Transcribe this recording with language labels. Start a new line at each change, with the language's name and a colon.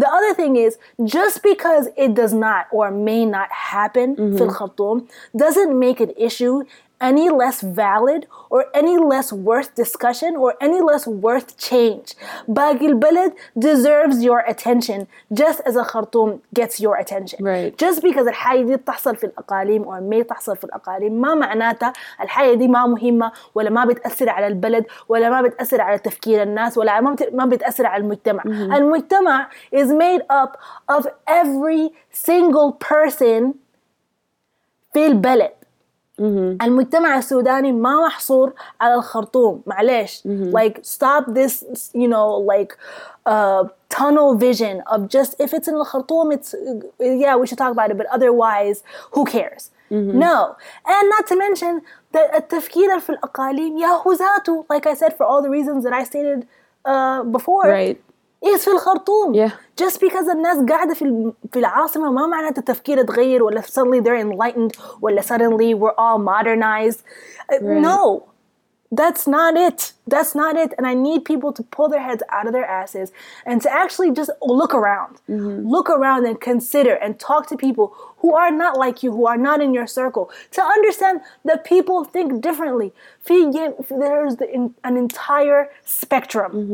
English: The other thing is, just because it does not or may not happen in Khartoum doesn't make an issue any less valid or any less worth discussion or any less worth change.
Arabic: باقي البلد
English: deserves your attention just as a Khartoum gets your attention. Right. Just because
Arabic: الحاجة دي تحصل في الأقاليم
English: or may
Arabic: تحصل في الأقاليم ما معناتها الحاجة دي ما مهمة ولا ما بتأثر على البلد ولا ما بتأثر على تفكير الناس ولا ما بتأثر على المجتمع.
English: المجتمع is made up of every single person
Arabic: في البلد. المجتمع السوداني ما محصور على الخرطوم معلش
English: like stop this you know like tunnel vision of just if it's in الخرطوم it's yeah we should talk about it but otherwise who cares no and not to mention that
Arabic: التفكير في الأقاليم يا هوزاتو
English: like I said for all the reasons that I stated before right
Arabic: is في الخرطوم
English: yeah just because
Arabic: الناس قاعدة في العاصمة ما معناته التفكير تغير ولا
English: suddenly they're enlightened
Arabic: ولا
English: suddenly we're all modernized right. No that's not it and I need people to pull their heads out of their asses and to actually just look around look around and consider and talk to people who are not like you who are not in your circle to understand that people think differently there's an entire spectrum